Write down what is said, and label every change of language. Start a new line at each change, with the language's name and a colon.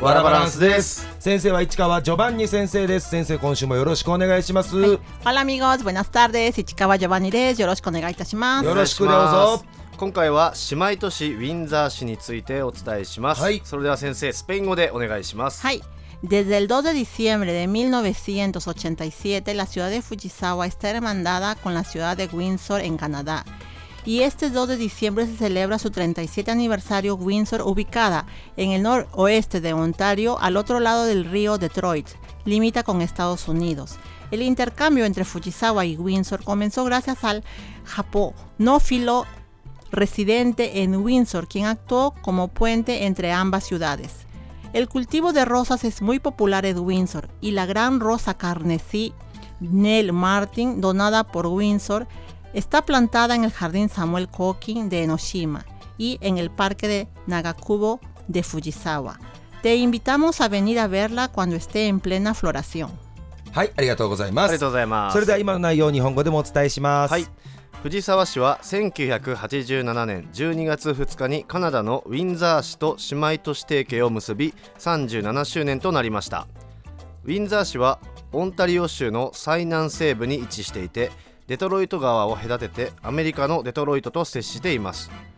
Japanese: ワラバランスです。先生は市川ジョバンニ先生です。先生、今週もよろしくお願いします。ハラミゴーズ、ブナスターです。市川ジョバンニです。よろしくお願いいたします。よろしくどうぞ。今回は姉妹都市ウィンザー市についてお伝えします。はい、それでは先生、スペイン語でお願いします。はい。
Spanish: Desde el 2 de diciembre de 1987, la ciudad de Fujisawa está hermanada con la ciudad de Windsor en Canadá. Y este 2 de diciembre se celebra su 37 aniversario Windsor, ubicada en el noroeste de Ontario, al otro lado del río Detroit, limita con Estados Unidos. El intercambio entre Fujisawa y Windsor comenzó gracias al japonófilo residente en Windsor, quien actuó como puente entre ambas ciudades. El cultivo de rosas es muy popular en Windsor y la gran rosa carnesí Nell Martin, donada por Windsor, está plantada en el jardín Samuel Cooking de Enoshima y en el parque de Nagakubo de Fujisawa. Te invitamos a venir a verla cuando esté en plena floración.
Japanese: はい、ありがとうございます。ありがとうございます。それでは今の内容を日本語でもお伝えします。はい。藤沢市は1987年12月2日にカナダのウィンザー市と姉妹都市提携を結び37周年となりました。ウィンザー市はオンタリオ州の最南西部に位置していて、デトロイト川を隔ててアメリカのデトロイトと接しています。